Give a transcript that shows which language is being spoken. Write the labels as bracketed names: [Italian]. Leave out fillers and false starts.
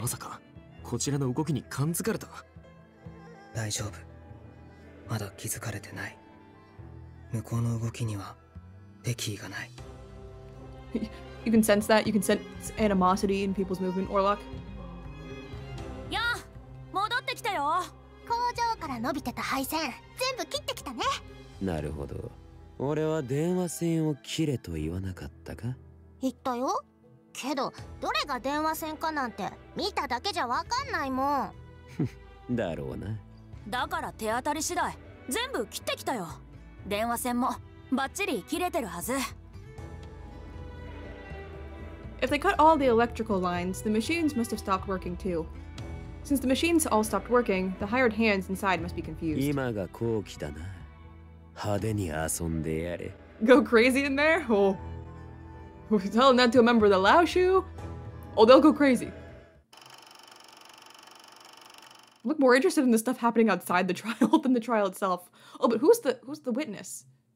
[Japanese] まさか、こちらの動きに感づかれた大丈夫。まだ気づかれてない。向こうの動きには敵意がない。 [English] You can sense that. You can sense animosity in people's movement, Orlock. [Japanese] やあ、戻ってきたよ。工場から伸びてた配線、全部切ってきたね。なるほど。俺は電話線を切れと言わなかったか？言ったよ。けど、どれが電話線かなんて見ただけじゃわかんないもん。だろうな。だから手当たり次第全部切ってきたよ電話線もバッチリ切れてるはず [English] If they cut all the electrical lines, the machines must have stopped working too. Since the machines all stopped working, the hired hands inside must be confused. [Japanese] 今が好機だな派手に遊んでやれ [English] Go crazy in there? Oh. Tell them not to a member of the Laoshu? Oh, they'll go crazy. I look more interested in the stuff happening outside the trial than the trial itself. Oh, but who's the witness?